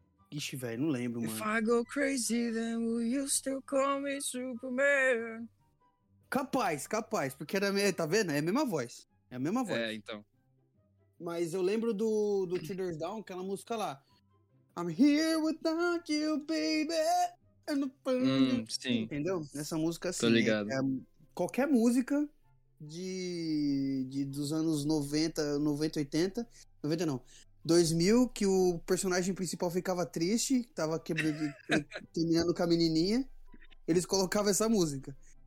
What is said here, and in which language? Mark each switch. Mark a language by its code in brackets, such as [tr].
[pt] Ixi, velho, não lembro, mano. [en] If I go crazy, then will you still call me Superman? [pt] Capaz, capaz. Porque era meio... Tá vendo? É a mesma voz. É a mesma voz. É, então. Mas eu lembro do Three Doors Down, aquela música lá. [en] I'm here without you, baby. And the... [pt] sim. Entendeu? Nessa música, assim. Tô ligado. É, qualquer música dos anos 90, 90, 80. 90 não. 2000, que o personagem principal ficava triste, tava quebrando, terminando com a menininha, eles colocavam essa música.